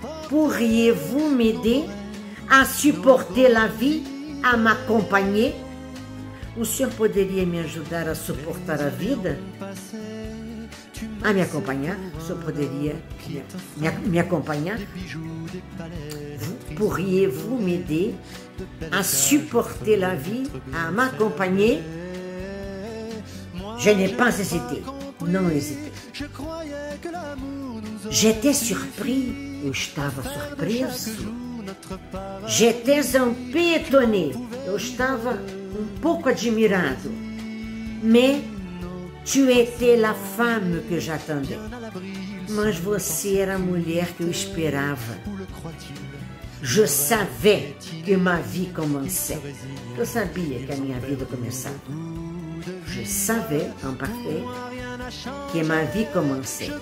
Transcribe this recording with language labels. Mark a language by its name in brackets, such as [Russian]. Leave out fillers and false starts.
[French] Pourriez-vous m'aider à supporter la vie, à m'accompagner? [Portuguese] O senhor poderia me ajudar a suportar a vida? A me acompanhar? O senhor poderia me acompanhar? [French] Pourriez-vous m'aider à supporter la vie, à m'accompagner? Je n'ai pas hésité. [Portuguese] Não hésité. [French] J'étais surpris. [Portuguese] Eu estava surpreso. [French] J'étais un peu étonné. [Portuguese] Eu estava um pouco admirado. [French] Mais tu étais la femme que j'attendais. [Portuguese] Mas você era a mulher que eu esperava. [French] Je savais que ma vie commençait. [Portuguese] Eu sabia que a minha vida começava. [French] Je savais, en parfait, que ma vie commençait.